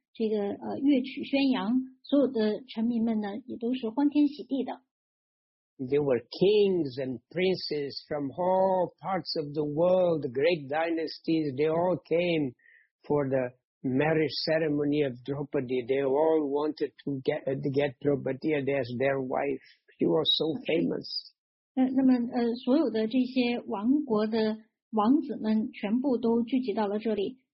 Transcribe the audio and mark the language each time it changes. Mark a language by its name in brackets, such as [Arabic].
[Chinese] 这个乐曲宣扬，所有的臣民们呢也都是欢天喜地的。 [English] There were kings and princes from all parts of the world, great dynasties. They all came for the marriage ceremony of Draupadi. They all wanted to get Draupadi as their wife. She was so famous. [Chinese] 那么所有的这些王国的王子们全部都聚集到了这里。